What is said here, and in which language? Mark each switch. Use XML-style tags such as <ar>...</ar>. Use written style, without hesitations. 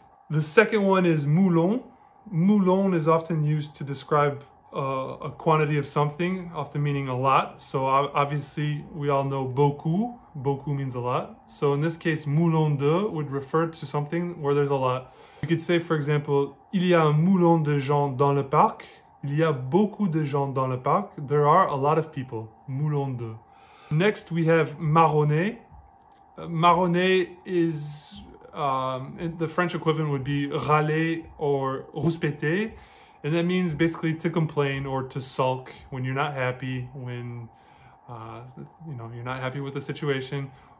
<en>The second one is moulon. Moulon is often used to describe a quantity of something, often meaning a lot. So obviously we all know beaucoup. Beaucoup means a lot. So in this case, moulon de would refer to something where there's a lot. You could say, for example,</en> <fr>il y a un moulon de gens dans le parc. Il y a beaucoup de gens dans le parc.</fr> <en>There are a lot of people. Moulon de. Next, we have marronner. Marronner is, the French equivalent would be râler or rouspéter. And that means basically to complain or to sulk when you're not happy, when you're not happy with the situation.</en>